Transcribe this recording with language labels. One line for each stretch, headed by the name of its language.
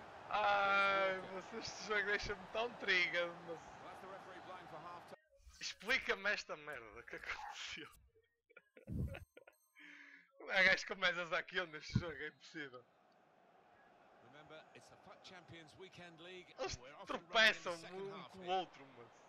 Portuguese: Ai, mas este jogo deixa-me tão triga. Mas explica-me esta merda que aconteceu. A gajo com mais azar que eu neste jogo, é impossível.
English: It's a FUT Champions Weekend League.
Portuguese: Eles tropeçam um com o outro, mas